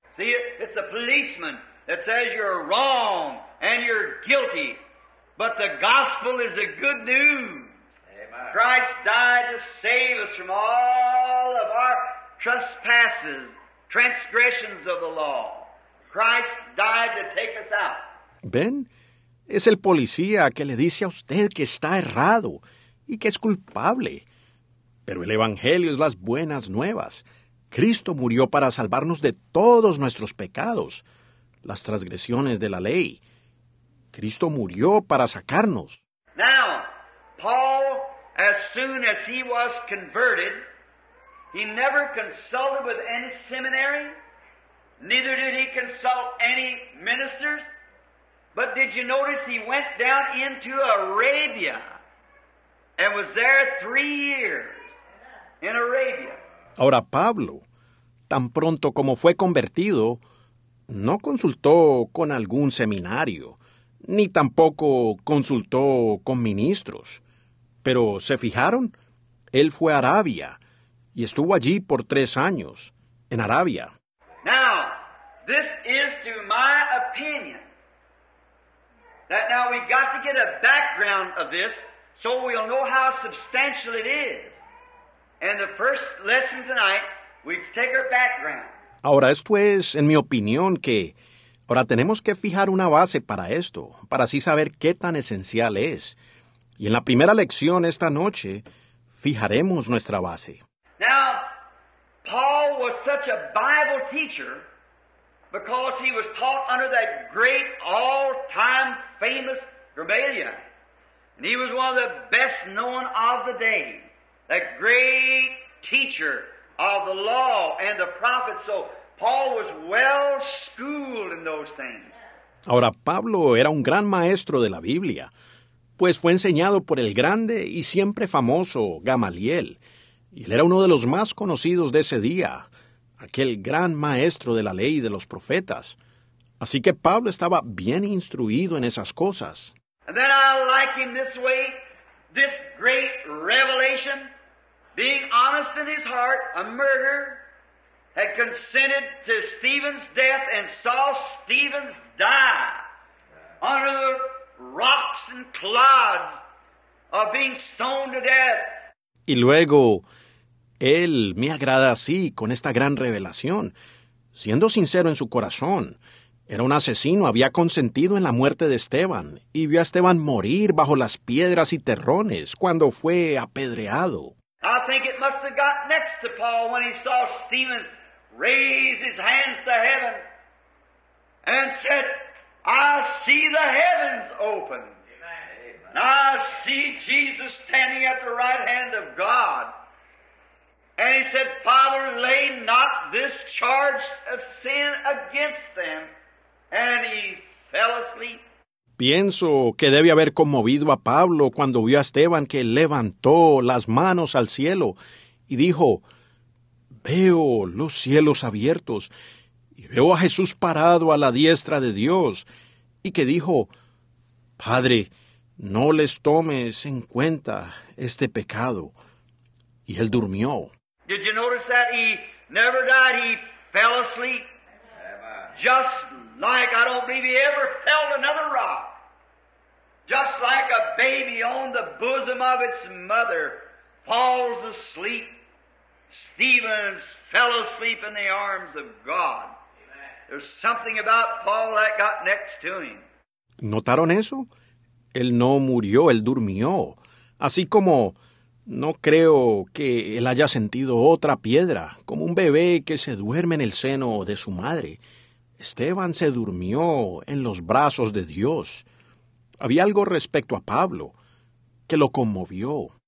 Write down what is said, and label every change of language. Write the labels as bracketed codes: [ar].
[en] See, it's a policeman that says you're wrong and you're guilty, but the gospel is a good news. Amen. Christ died to save us from all of our trespasses, transgressions of the law. Christ died to take us out. [es] ¿Ven? Es el policía que le dice a usted que está errado y que es culpable. Pero el Evangelio es las buenas nuevas. Cristo murió para salvarnos de todos nuestros pecados, las transgresiones de la ley. Cristo murió para sacarnos. [en] Now, Paul, as soon as he was converted, he never consulted with any seminary, neither did he consult any ministers. But did you notice he went down into Arabia and was there 3 years in Arabia? [es] Ahora Pablo, tan pronto como fue convertido, no consultó con algún seminario, ni tampoco consultó con ministros. Pero, ¿se fijaron? Él fue a Arabia y estuvo allí por 3 años, en Arabia. [en] Now, this is to my opinion. That now we got to get a background of this so we'll know how substantial it is. And the first lesson tonight, we take our background. [es] Ahora, esto es, en mi opinión, que ahora tenemos que fijar una base para esto, para así saber qué tan esencial es. Y en la primera lección esta noche, fijaremos nuestra base. [en] Now, Paul was such a Bible teacher because he was taught under that great all-time famous Gamaliel. And he was one of the best known of the day, that great teacher of the law and the prophets. So Paul was well schooled in those things. [es] Ahora Pablo era un gran maestro de la Biblia, pues fue enseñado por el grande y siempre famoso Gamaliel, y él era uno de los más conocidos de ese día, aquel gran maestro de la ley y de los profetas. Así que Pablo estaba bien instruido en esas cosas. [en] And then I like him this way, this great revelation. Being honest in his heart, a murderer had consented to Stephen's death and saw Stephen's die under the rocks and clods of being stoned to death. [es] Y luego, él me agrada así, con esta gran revelación. Siendo sincero en su corazón, era un asesino, había consentido en la muerte de Esteban y vio a Esteban morir bajo las piedras y terrones cuando fue apedreado. [en] I think it must have got next to Paul when he saw Stephen raise his hands to heaven and said, I see the heavens open. Amen. I see Jesus standing at the right hand of God. And he said, Father, lay not this charge of sin against them. And he fell asleep. [es] Pienso que debe haber conmovido a Pablo cuando vio a Esteban que levantó las manos al cielo y dijo, veo los cielos abiertos y veo a Jesús parado a la diestra de Dios y que dijo, Padre, no les tomes en cuenta este pecado. Y él durmió. [en] Did you notice that he never died? He fell asleep. Just like I don't believe he ever felt another rock. Just like a baby on the bosom of its mother falls asleep, Stephen fell asleep in the arms of God. Amen. There's something about Paul that got next to him. [es] ¿Notaron eso? Él no murió, él durmió. Así como no creo que él haya sentido otra piedra, como un bebé que se duerme en el seno de su madre. Esteban se durmió en los brazos de Dios. Había algo respecto a Pablo que lo conmovió.